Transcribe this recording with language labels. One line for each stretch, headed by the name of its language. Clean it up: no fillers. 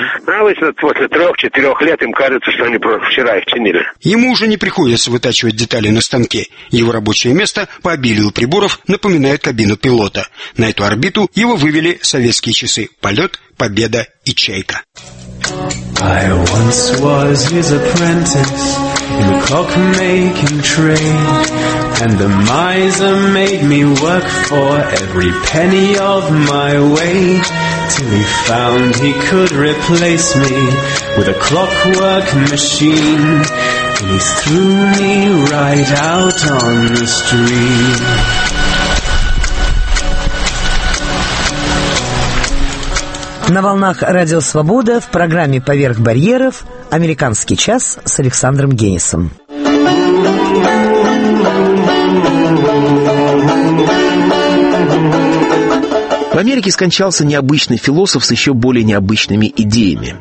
Russian: Обычно после 3-4 лет им кажется, что они вчера их чинили. Ему уже не приходится вытачивать детали на станке. Его рабочее место по обилию приборов напоминает кабину пилота. На эту орбиту его вывели советские часы «Полет», «Победа» и «Чайка».
English: I once was his apprentice in the clock-making trade, and the miser made me work for every penny of my wage, till he found he could replace me with a clockwork machine, and he threw me right out on the street.
Russian: На волнах «Радио Свобода» в программе «Поверх барьеров» «Американский час» с Александром Генисом. В Америке скончался необычный философ с еще более необычными идеями.